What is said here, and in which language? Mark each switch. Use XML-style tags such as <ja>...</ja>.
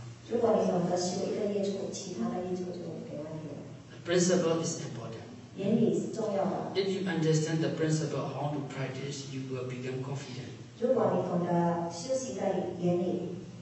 <zh>如果你懂得修一个业处，其他的业处就没问题了。</zh> <en>The principle is important.</en> <zh>原理是重要的。</zh> <en>If you understand the principle how to practice, you will become confident.</en> <zh>如果你懂得修习的原理，</zh>